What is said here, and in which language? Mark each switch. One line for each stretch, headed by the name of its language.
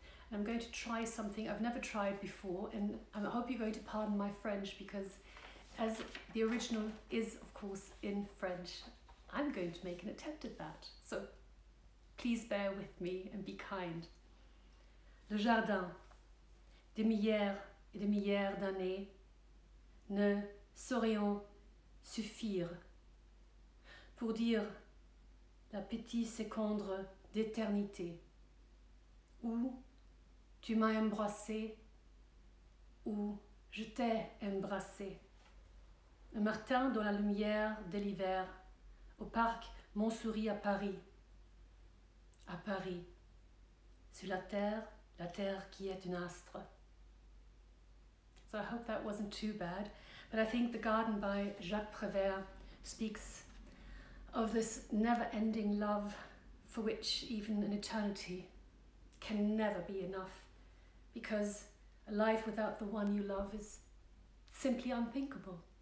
English: And I'm going to try something I've never tried before, and I hope you're going to pardon my French, because as the original is of course in French, I'm going to make an attempt at that. So please bear with me and be kind.
French: Le jardin, des milliers et des milliers d'années, ne saurait suffire pour dire la petite seconde d'éternité où tu m'as embrassé, où je t'ai embrassé. Un matin dans la lumière de l'hiver au parc Montsouris à Paris, sur la terre qui est un astre.
English: So I hope that wasn't too bad, but I think The Garden by Jaques Prévert speaks of this never-ending love for which even an eternity can never be enough, because a life without the one you love is simply unthinkable.